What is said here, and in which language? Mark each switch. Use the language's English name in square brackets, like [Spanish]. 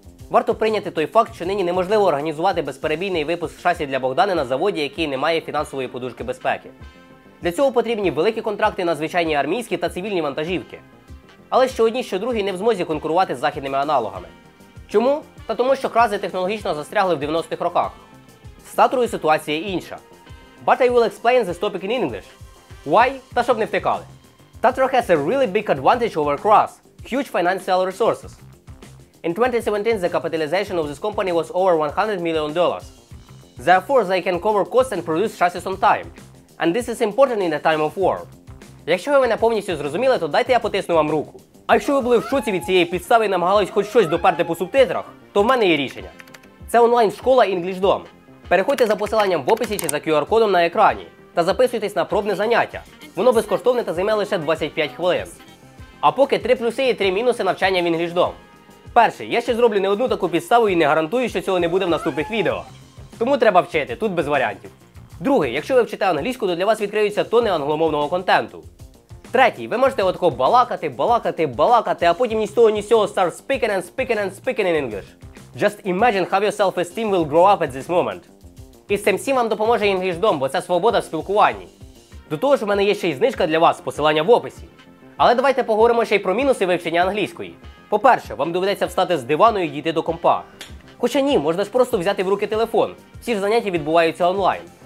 [Ukrainian] Варто прийняти той факт, що нині неможливо організувати безперебійний випуск шасі для Богдани на заводі, який не має фінансової подушки безпеки. Для цього потрібні великі контракти на звичайні армійські та цивільні вантажівки. Але що одні, що другі не в змозі конкурувати з західними аналогами. Чому? Та тому, що КРАЗи технологічно застрягли в 90-х роках. З Татрою ситуація інша. [English] But I will explain this topic in English. Why? [Ukrainian] Та щоб не втикали. [English] Tatra has a really big advantage over KRAS, huge financial resources. In 2017, the capitalization of this company was over $100 million. Therefore, they can cover costs and produce chassis on time. And this is important in a time of war. [Ukrainian] Якщо ви мене повністю зрозуміли, то дайте я потисну вам руку. А якщо ви були в шоці від цієї підстави і намагались хоч щось доперти по субтитрах, то в мене є рішення. Це онлайн-школа EnglishDom. Переходьте за посиланням в описі чи за QR-кодом на екрані та записуйтесь на пробне заняття. Воно безкоштовне та займе лише 25 хвилин. А поки 3 плюси і 3 мінуси навчання в EnglishDom. Перший, я ще зроблю не одну таку підставу і не гарантую, що цього не буде в наступних відео. Тому треба вчити, тут без варіантів. Другий, якщо ви вчите англійську, то для вас відкриються тони англомовного контенту. Третій, ви можете отако балакати, а потім ні з того, ні з цього [English] start speaking in English. Just imagine how your self-esteem will grow up at this moment. [Ukrainian] І з цим всім вам допоможе EnglishDom, бо це свобода в спілкуванні. До того ж, у мене є ще й знижка для вас, посилання в описі. Але давайте поговоримо ще й про мінуси вивчення англійської. По-перше, вам доведеться встати з дивану і дійти до компа. Хоча ні, можна ж просто взяти в руки телефон. Всі ж заняття відбуваються онлайн.